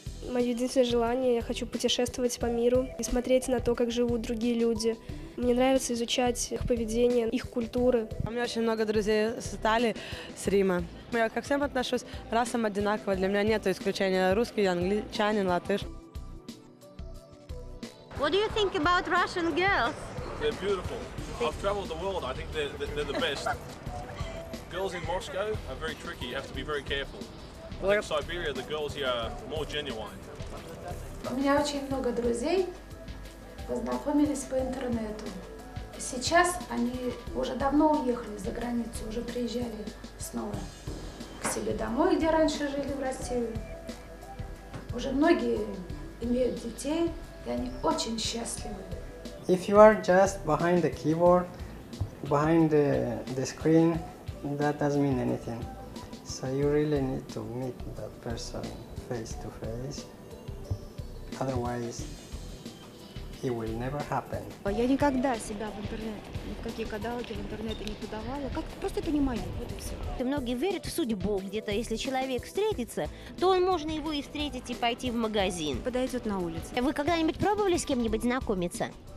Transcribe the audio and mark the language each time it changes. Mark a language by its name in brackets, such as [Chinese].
[Russian] Мое единственное желание, я хочу путешествовать по миру и смотреть на то, как живут другие люди. Мне нравится изучать их поведение, их культуры. У меня очень много друзей с Италии, с Рима. Я ко всем отношусь расам одинаково. Для меня нет исключения русский, англичанин, латыш. [English] What do you think about Russian girls? They're beautiful. I've traveled the world. I think they're the best. Girls in Moscow are very tricky. You have to be very careful. I think Siberia, the girls here are more genuine. [Russian] У меня очень много друзей, познакомились по интернету. Сейчас они уже давно уехали за границу, уже приезжали снова к себе домой, где раньше жили в России. Уже многие имеют детей, и они очень счастливы. [English] If you are just behind the keyboard, behind the screen, that doesn't mean anything. So you really need to meet that person face to face. Otherwise, it will never happen. [Russian] Я никогда себя в интернет, ни в какие кадалки в интернете не подавала. Как просто это не мое, вот и все. Ты многие верят в судьбу, где-то если человек встретится, то он можно его и встретить и пойти в магазин. Подойдет на улице. Вы когда-нибудь пробовали с кем-нибудь знакомиться?